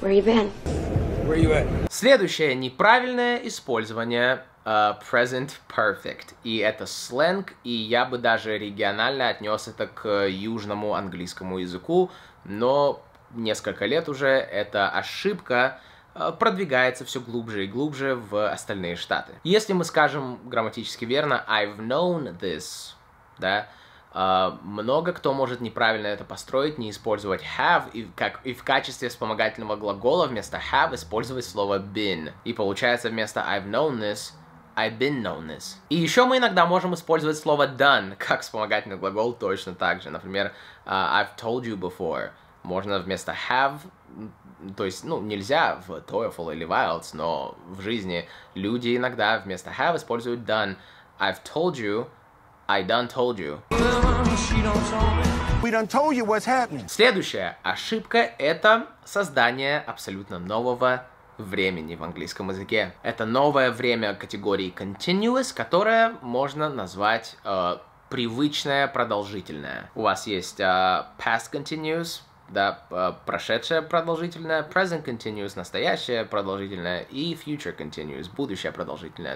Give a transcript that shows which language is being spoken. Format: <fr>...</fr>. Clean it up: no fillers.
<en>Where you been? Where you at?</en> <ru>Следующее неправильное использование present perfect. И это сленг, и я бы даже регионально отнес это к южному английскому языку, но несколько лет уже эта ошибка продвигается все глубже и глубже в остальные штаты. Если мы скажем грамматически верно</ru> <en>I've known this,</en> <ru>да, много кто может неправильно это построить, не использовать have и в качестве вспомогательного глагола вместо have использовать слово been. И получается вместо I've known this</ru> <en>I've been known this.</en> <ru>И еще мы иногда можем использовать слово done как вспомогательный глагол точно так же. Например,</ru> <en>I've told you before.</en> <ru>Можно вместо have, то есть, ну, нельзя в TOEFL или в IELTS, но в жизни люди иногда вместо have используют done.</ru> <en>I've told you, I done told you. We done told you what's happening.</en> <ru>Следующая ошибка — это создание абсолютно нового времени в английском языке. Это новое время категории continuous, которое можно назвать привычное продолжительное. У вас есть past continuous, да, прошедшее продолжительное, present continuous, настоящее продолжительное и future continuous, будущее продолжительное.</ru>